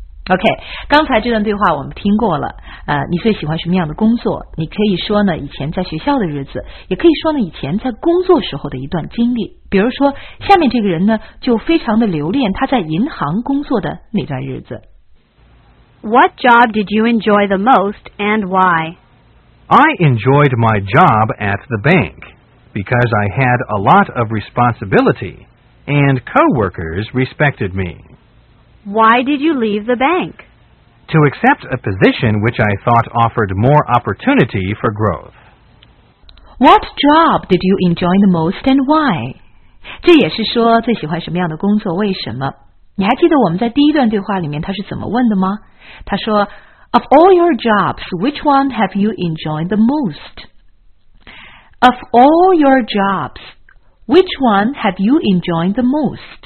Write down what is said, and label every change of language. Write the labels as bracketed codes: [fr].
[zh] OK， 刚才这段对话我们听过了。你最喜欢什么样的工作？你可以说呢以前在学校的日子，也可以说呢以前在工作时候的一段经历。比如说下面这个人呢就非常的留恋他在银行工作的那段日子。 [en] What job did you enjoy the most and why? I enjoyed my job at the bank because I had a lot of responsibilityAnd co-workers respected me. Why did you leave the bank? To accept a position which I thought offered more opportunity for growth. What job did you enjoy the most and why? [zh] 这也是说最喜欢什么样的工作，为什么？你还记得我们在第一段对话里面他是怎么问的吗？他说 [en] Of all your jobs, which one have you enjoyed the most? Of all your jobs,Which one have you enjoyed the most?